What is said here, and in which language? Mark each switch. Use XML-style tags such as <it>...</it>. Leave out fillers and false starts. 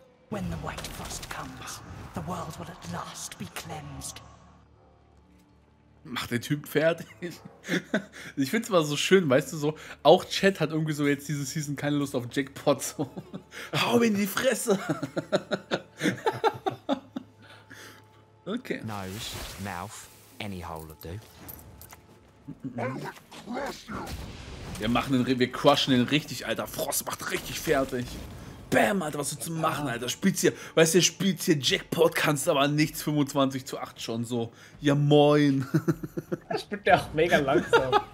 <en>When the white frost comes, the world will at last be cleansed.</en> <de>macht der Typ fertig. Ich finde es mal so schön, weißt du, so auch Chat hat irgendwie so jetzt diese Season keine Lust auf Jackpot. So. Hau ihn in die Fresse. Okay.</de> <en>Nose, mouth, any hole will do.</en> <de>Wir crushen den richtig, Alter. Frost macht richtig fertig. Bam, Alter, was willst du machen, Alter? Spielst hier, weißt du, spielst hier Jackpot, kannst aber nichts, 25 zu 8 schon so. Ja, moin. Er spielt ja auch mega langsam.</de>